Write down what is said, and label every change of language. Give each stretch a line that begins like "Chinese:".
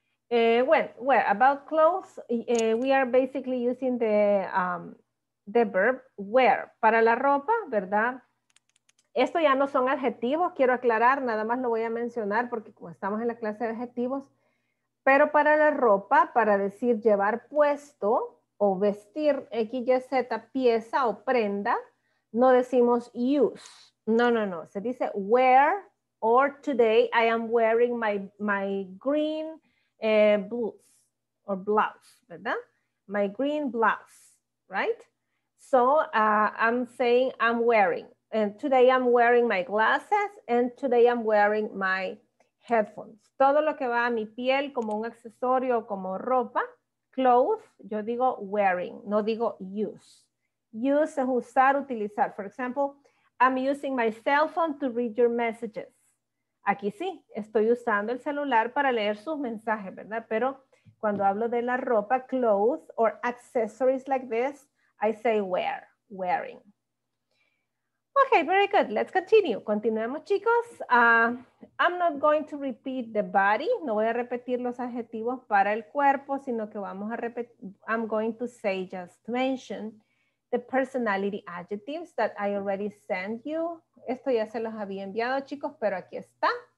English: Well, about clothes, we are basically using the verb wear.
Spanish: Para la ropa, ¿verdad? Esto ya no son adjetivos, quiero aclarar, nada más lo voy a mencionar porque como estamos en la clase de adjetivos, pero para la ropa, para decir llevar puesto o vestir X, Y, Z, pieza o prenda, no decimos use. No, no, no. Se dice
English: wear, or today I am wearing my green blouse or blouse,
Spanish: ¿verdad?
English: My green blouse, right? So I'm saying I'm wearing. And today I'm wearing my glasses and today I'm wearing my headphones.
Spanish: Todo lo que va a mi piel como un accesorio, como ropa, clothes, yo digo wearing, no digo use. Use es usar, utilizar.
English: For example, I'm using my cell phone to read your messages.
Spanish: Aquí sí, estoy usando el celular para leer sus mensajes, ¿verdad? Pero cuando hablo de la ropa,
English: clothes or accessories like this, I say wear, wearing. Okay, very good. Let's continue.
Spanish: Continuemos, chicos.
English: I'm not going to repeat the body.
Spanish: No voy a repetir los adjetivos para el cuerpo, sino que vamos a repetir.
English: I'm going to say, just to mention, the personality adjectives that I already sent you.
Spanish: Esto ya se los había enviado, chicos, pero aquí está.